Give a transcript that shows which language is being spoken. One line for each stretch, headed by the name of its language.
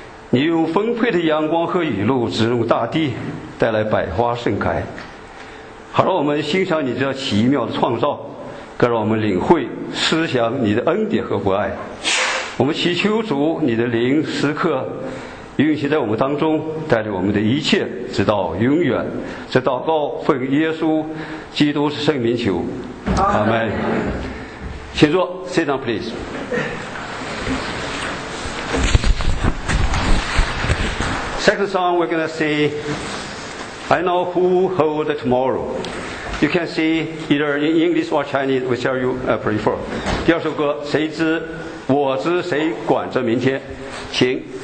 Chinese: 你用丰沛的阳光和雨露滋润大地，带来百花盛开，好让我们欣赏你这奇妙的创造，更让我们领会思想你的恩典和博爱。我们祈求主，你的灵时刻运行在我们当中，带领我们的一切直到永远。这祷告奉耶稣基督圣名求，阿门。请坐
English: ，sit down, please。 Second song we're going to say, I know who holds tomorrow. You can say either in English or Chinese, whichever you prefer.
Chinese: 第二首歌，谁知我知谁管着明天，请。